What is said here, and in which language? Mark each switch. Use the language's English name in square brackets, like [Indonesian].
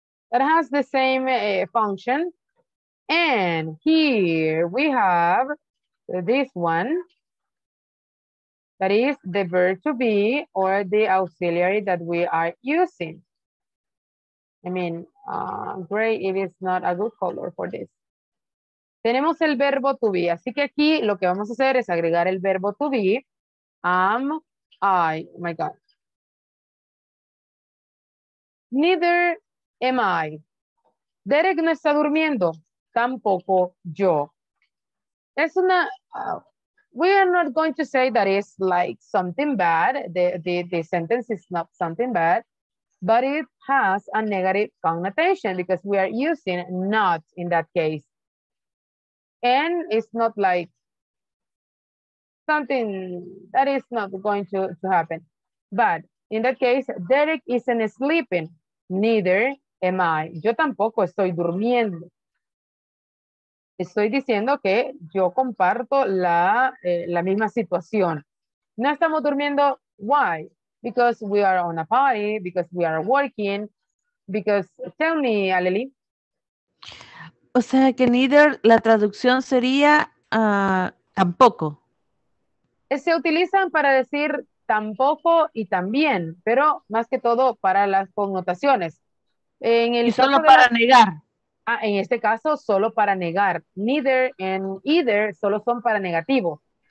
[English] That has the same function. And here we have this one. That is the verb to be or the auxiliary that we are using. I mean, gray, it is not a good color for this. [Spanish] Tenemos el verbo to be. Así que aquí lo que vamos a hacer es agregar el verbo to be. [English] Am, I, oh my God. Neither am I. [Spanish] Derek no está durmiendo. Tampoco yo. Es una... [English] we are not going to say that it's like something bad. The sentence is not something bad, but it has a negative connotation because we are using not in that case. And it's not like something that is not going to happen. But in that case, Derek isn't sleeping. Neither am I. [Spanish] Yo tampoco estoy durmiendo. Estoy diciendo que yo comparto la misma situación. No estamos durmiendo. [English] Why? because we are on a party, because we are working, because, tell me, Aleli. [Spanish] O sea, que neither, la traducción sería tampoco. Se utilizan para decir tampoco y también, pero más que todo para las connotaciones. En el y solo para la... negar. Ah, en este caso, solo para negar. Neither and either solo son para negativo.